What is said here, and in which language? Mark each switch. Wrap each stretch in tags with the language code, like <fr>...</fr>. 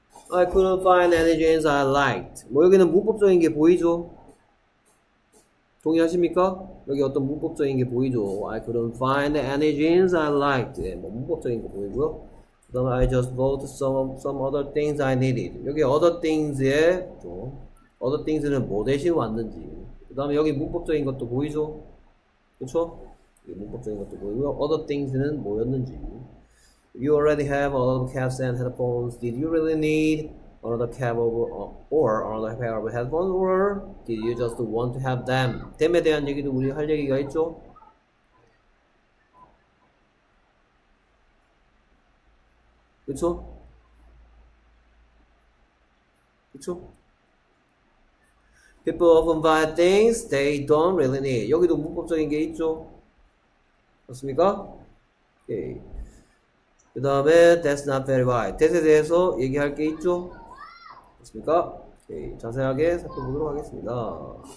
<en>I couldn't find any jeans I liked.</en> <ko>뭐 여기는 문법적인 게 보이죠? 동의하십니까? 여기 어떤 문법적인 게 보이죠?</ko> <en>I couldn't find any jeans I liked.</en> <ko>예, 뭐 문법적인 거 보이고요.</ko> <en>Then I just bought some other things I needed.</en> <ko>여기 other things에 또 other things는 뭐 대신 왔는지. 그 다음에 여기 문법적인 것도 보이죠? 그쵸? 문법적인 것도 보이고요. Other things는 뭐였는지.</ko> <en>You already have all of caps and headphones. Did you really need another cap or another pair of headphones? Or did you just want to have them?</en> <ko>them에 대한 얘기도 우리 할 얘기가 있죠? 그쵸? 그쵸?</ko> <en>People often buy things they don't really need.</en> <ko>여기도 문법적인 게 있죠? 맞습니까? 오케이. 그 다음에</ko> <en>that's not very wise.</en> <ko>that에 대해서 얘기할 게 있죠? 맞습니까? 오케이. 자세하게 살펴보도록 하겠습니다.</ko>